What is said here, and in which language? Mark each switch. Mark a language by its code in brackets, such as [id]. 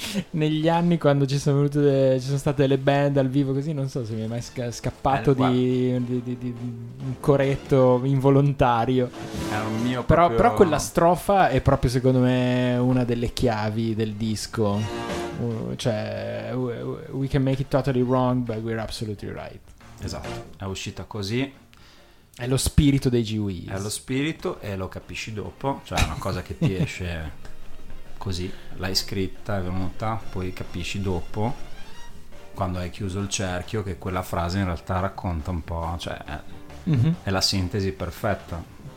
[it] Negli anni quando ci sono venute, ci sono state le band al vivo così, non so se mi è mai scappato di un coretto involontario. Era un mio però, proprio... però quella strofa è proprio secondo me una delle chiavi del disco. [en] Cioè, we can make it totally wrong, but we're absolutely right. [it] Esatto, è uscita così. È lo spirito dei G-Wiz. È lo spirito e lo capisci dopo, cioè è una cosa che ti esce... così l'hai scritta, è venuta, poi capisci dopo quando hai chiuso il cerchio che quella frase in realtà racconta un po', cioè è la sintesi perfetta.